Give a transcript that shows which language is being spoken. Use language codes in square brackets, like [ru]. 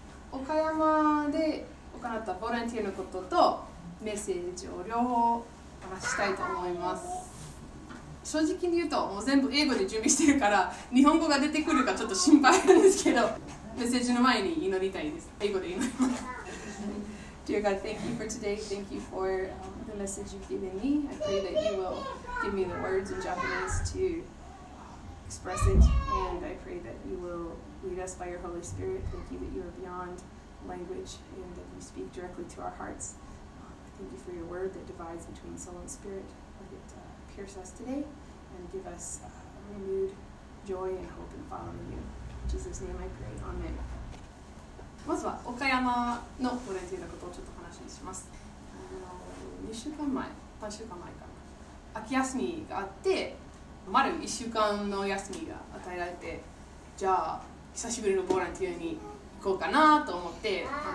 [ja] 岡山で行ったボランティアのこととメッセージを両方話したいと思います。正直に言うともう全部英語で準備してるから日本語が出てくるかちょっと心配なんですけど、メッセージの前に祈りたいです。英語で祈ります。 [en] Dear God, thank you for today. Thank you for the message you've given me. I pray that you will give me the words in Japanese to express it. And I pray that you will lead us by your Holy Spirit. Thank you that you are beyond language and that you speak directly to our hearts. Thank you for your word that divides between soul and spirit. Let it pierce us today and give us renewed joy and hope in following you. In Jesus' name I pray. Amen. [ja] まずは岡山のボランティアのことをちょっと話します。 2週間前、3週間前かな、秋休みがあって丸1週間の休みが与えられて、じゃあ久しぶりのボランティアに行こうかなと思って、